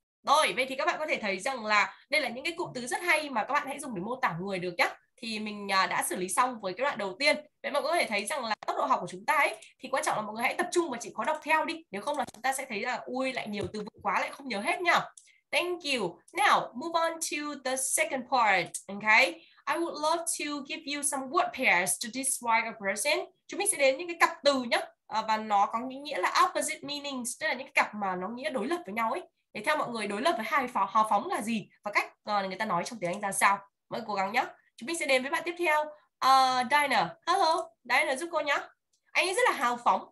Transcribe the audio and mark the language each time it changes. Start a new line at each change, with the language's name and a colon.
Vietnamese: Rồi, vậy thì các bạn có thể thấy rằng là đây là những cái cụm từ rất hay mà các bạn hãy dùng để mô tả người được nhá. Thì mình đã xử lý xong với cái đoạn đầu tiên. Vậy mọi người có thể thấy rằng là tốc độ học của chúng ta ấy, thì quan trọng là mọi người hãy tập trung và chỉ có đọc theo đi. Nếu không là chúng ta sẽ thấy là ui lại nhiều từ vựng quá lại không nhớ hết nhá.
English: Thank you. Now, move on to the second part, okay? I would love to give you some word pairs to describe a person.
Vietnamese: Chúng mình sẽ đến những cái cặp từ nhá. Và nó có nghĩa là opposite meanings, tức là những cái cặp mà nó nghĩa đối lập với nhau ấy. Thì theo mọi người đối lập với hài hào phóng là gì và cách người ta nói trong tiếng Anh ra sao? Mọi người cố gắng nhé. Chúng mình sẽ đến với bạn tiếp theo. Dinah, hello. Dinah giúp cô nhé. Anh ấy rất là hào phóng.